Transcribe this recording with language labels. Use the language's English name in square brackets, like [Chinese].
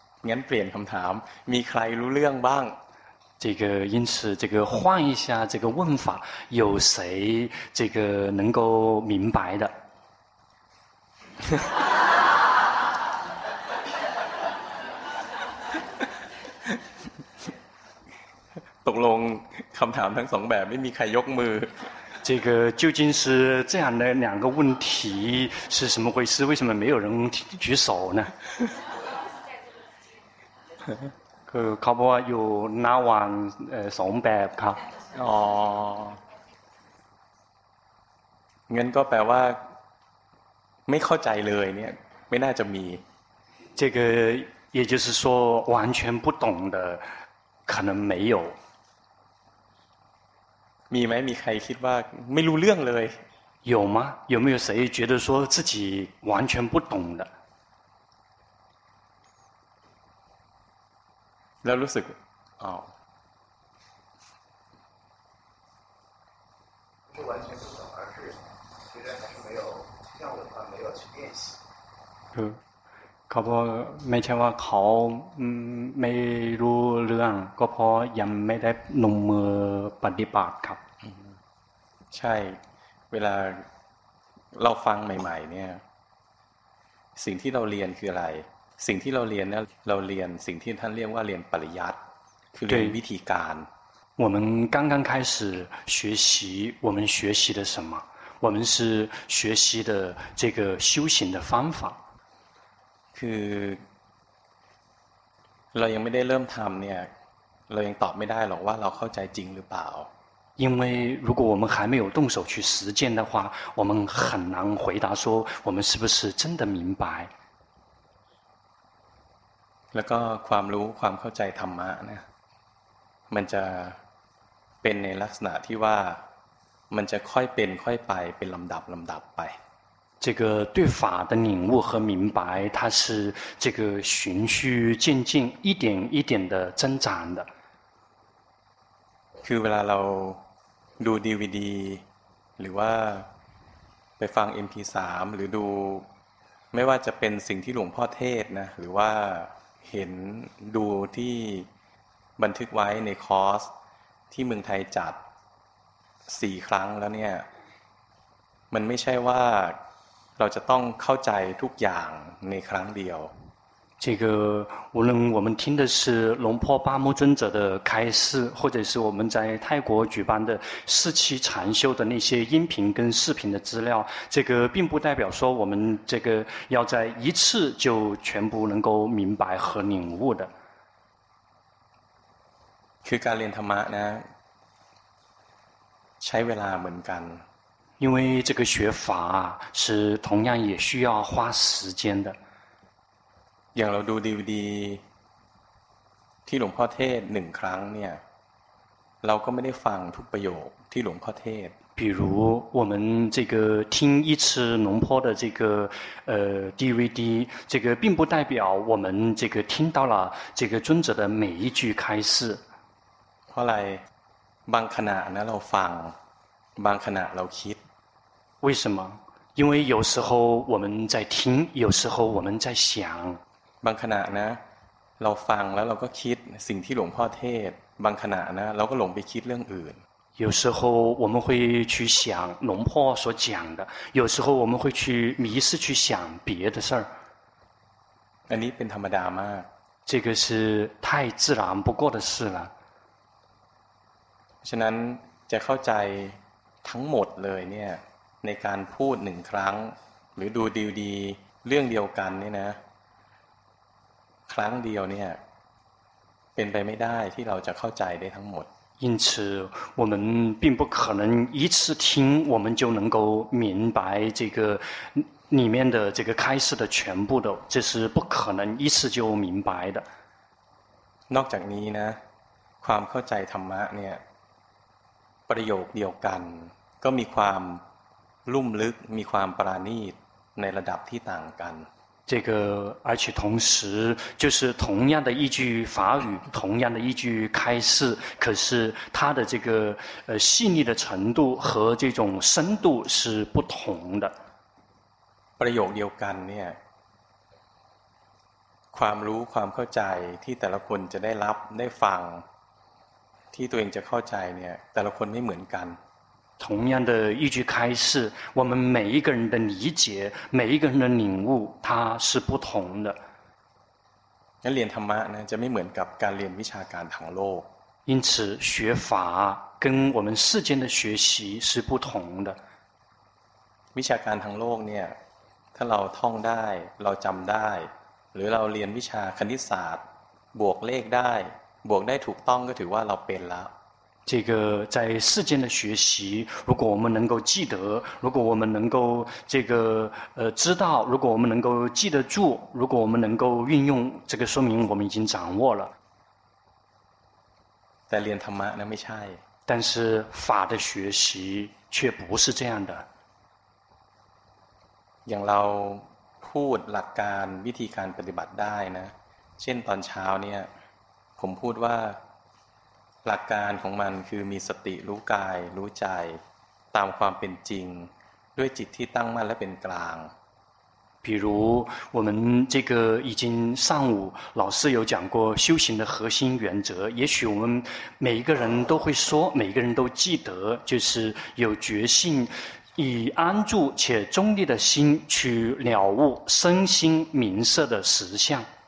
[Thai] งั้นเปลี่ยนคำถามมีใครรู้เรื่องบ้าง [Chinese] 这个因此这个换一下这个问法有谁这个能够明白的 [Thai] ตกลงคำถามทั้งสองแบบไม่มีใครยกมือ [Chinese] 这个究竟是这样的两个问题是什么回事为什么没有人举手呢 [Thai] คือเขาบอกว่าอยู่หน้าวางสองแบบครับ อ๋องั้นก็แปลว่าไม่เข้าใจเลยเนี่ยไม่น่าจะมี [Chinese] 这个也就是说完全不懂的可能没有 [Thai] มีไหมมีใครคิดว่าไม่รู้เรื่องเลย [Chinese] 有吗有没有谁觉得说自己完全不懂的 [Thai] แล้วรู้สึกอ้าว คือเขาบอกไม่ใช่ว่าเขาไม่รู้เรื่องก็เพราะยังไม่ได้ลงมือปฏิบัติครับ ใช่เวลาเราฟังใหม่ๆเนี่ยสิ่งที่เราเรียนคืออะไรสิ่งที่เราเรียนเนี่ยเราเรียนสิ่งที่ท่านเรียกว่าเรียนปริยัติคือเรียนวิธีการ [Chinese] 我们刚刚开始学习我们学习的什么我们是学习的这个修行的方法 [Thai] คือเรายังไม่ได้เริ่มทำเนี่ยเรายังตอบไม่ได้หรอกว่าเราเข้าใจจริงหรือเปล่า [Chinese] 因为如果我们还没有动手去实践的话我们很难回答说我们是不是真的明白 [Thai] แล้วก็ความรู้ความเข้าใจธรรมะเนี่ยมันจะเป็นในลักษณะที่ว่ามันจะค่อยเป็นค่อยไปเป็นลำดับไป [Chinese] 这个对法的领悟和明白它是这个循序渐进一点一点的增长的 [Thai] คือเวลาเราดู DVD หรือว่าไปฟัง MP3 หรือดูไม่ว่าจะเป็นสิ่งที่หลวงพ่อเทศนะหรือว่าเห็นดูที่บันทึกไว้ในคอร์สที่เมืองไทยจัด4ครั้งแล้วเนี่ยมันไม่ใช่ว่าเราจะต้องเข้าใจทุกอย่างในครั้งเดียว [Chinese] 这个无论我们听的是龙婆巴木尊者的开示或者是我们在泰国举办的四期禅修的那些音频跟视频的资料这个并不代表说我们这个要在一次就全部能够明白和领悟的 [Thai] คือการเรียนธรรมะนะใช้เวลาเหมือนกัน [Chinese] 因为这个学法是同样也需要花时间的 [Thai] อย่างเราดูดีๆที่หลวงพ่อเทศหนึ่งครั้งเนี่ยเราก็ไม่ได้ฟังทุกประโยคที่หลวงพ่อเทศ [Chinese] 比如我们这个听一次龙坡的这个DVD 这个并不代表我们这个听到了这个尊者的每一句开示 [Thai] เพราะอะไร บางขณะนะเราฟังบางขณะเราคิด [Chinese] 为什么因为有时候我们在听有时候我们在想 [Thai] บางขณะนะเราฟังแล้วเราก็คิดสิ่งที่หลวงพ่อเทศบางขณะนะเราก็หลงไปคิดเรื่องอื่น [Chinese] 有时候我们会去想龙婆所讲的有时候我们会去迷失去想别的事儿 [Thai] อันนี้เป็นธรรมดามาก [Chinese] 这个是太自然不过的事了 [Thai] ฉะนั้นจะเข้าใจทั้งหมดเลยเนี่ยในการพูดหนึ่งครั้งหรือดูดีดีเรื่องเดียวกันเนี่ยนะครั้งเดียวเนี่ยเป็นไปไม่ได้ที่เราจะเข้าใจได้ทั้งหมด [Chinese] 因此我们并不可能一次听我们就能够明白这个里面的这个开示的全部的这是不可能一次就明白的 [Thai] นอกจากนี้นะความเข้าใจธรรมะเนี่ยประโยคเดียวกันก็มีความลุ่มลึกมีความปราณีตในระดับที่ต่างกัน [Chinese] 这个而且同时就是同样的一句法语同样的一句开示可是它的这个细腻的程度和这种深度是不同的 [Thai] ประโยคเดียวกันเนี่ยความรู้ความเข้าใจที่แต่ละคนจะได้รับได้ฟังที่ตัวเองจะเข้าใจเนี่ยแต่ละคนไม่เหมือนกัน [Chinese] 同样的一句开示我们每一个人的理解每一个人的领悟它是不同的那练 [Thai] ธรรมะนะจะไม่เหมือนกับการเรียนวิชาการทางโลก [Chinese] 因此学法跟我们世间的学习是不同的 [Thai] วิชาการทางโลกเนี่ยถ้าเราท่องได้เราจำได้หรือเราเรียนวิชาคณิตศาสตร์บวกเลขได้บวกได้ถูกต้องก็ถือว่าเราเป็นแล้ว [Chinese] 这个在世间的学习如果我们能够记得如果我们能够这个知道如果我们能够记得住如果我们能够运用这个说明我们已经掌握了在练 [Thai] ธรรมะนะไม่ใช่ [Chinese] 但是法的学习却不是这样的 [Thai] อย่างเราพูดหลักการวิธีการปฏิบัติได้นะเช่นตอนเช้าเนี่ยผมพูดว่าหลักการของมันคือมีสติรู้กายรู้ใจตามความเป็นจริงด้วยจิตที่ตั้งมั่นและเป็นกลาง [Chinese] 比如我们这个已经上午老师有讲过修行的核心原则也许我们每一个人都会说每一个人都记得就是有觉性以安住且中立的心去了悟身心明色的实相